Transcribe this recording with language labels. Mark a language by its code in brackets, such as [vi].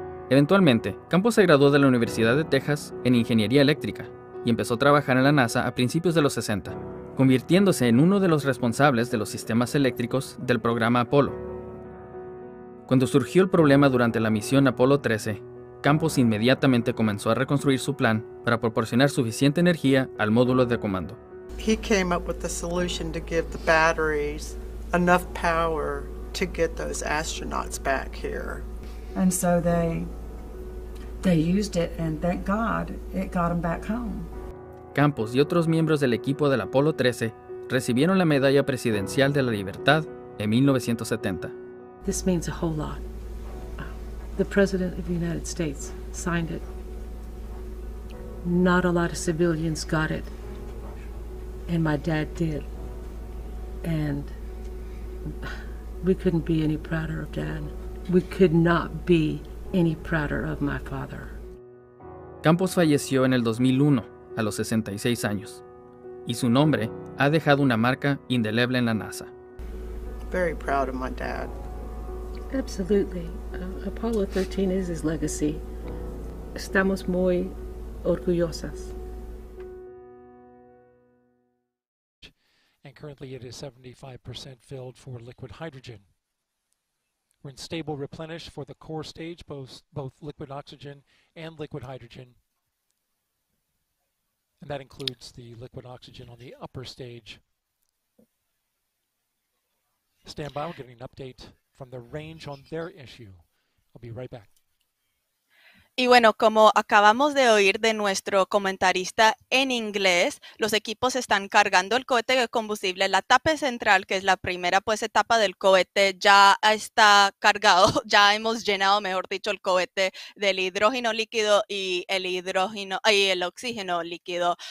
[es] Eventualmente, Campos se graduó de la Universidad de Texas en Ingeniería Eléctrica y empezó a trabajar en la NASA a principios de los 60. Convirtiéndose en uno de los responsables de los sistemas eléctricos del programa Apolo. Cuando surgió el problema durante la misión Apolo 13, Campos inmediatamente comenzó a reconstruir su plan para proporcionar suficiente energía al módulo de comando. [en] He came up with a solution to give the batteries enough power to get those astronauts back here. And so they used it, and thank God it got them back home. [es] Campos y otros miembros del equipo del Apolo 13 recibieron la Medalla Presidencial de la Libertad en 1970. [en] This means a whole lot. The President of the United States signed it. Not a lot of civilians got it. And my dad did. And we couldn't be any prouder of Dad. We could not be any prouder of my father. [es] Campos falleció en el 2001. A los 66 años, y su nombre ha dejado una marca indeleble en la NASA. [en] Very proud of my dad. Absolutely. Apollo 13 is his legacy. [es] Estamos muy orgullosas. [en] And currently it is 75% filled for liquid hydrogen. were in stable replenish for the core stage, both liquid oxygen and liquid hydrogen. And that includes the liquid oxygen on the upper stage. Stand by, we're getting an update from the range on their issue. I'll be right back. [es] Y bueno, como acabamos de oír de nuestro comentarista en inglés, los equipos están cargando el cohete de combustible. La tapa central, que es la primera pues etapa del cohete, ya está cargado. Ya hemos llenado, mejor dicho, el cohete del hidrógeno líquido y el oxígeno líquido.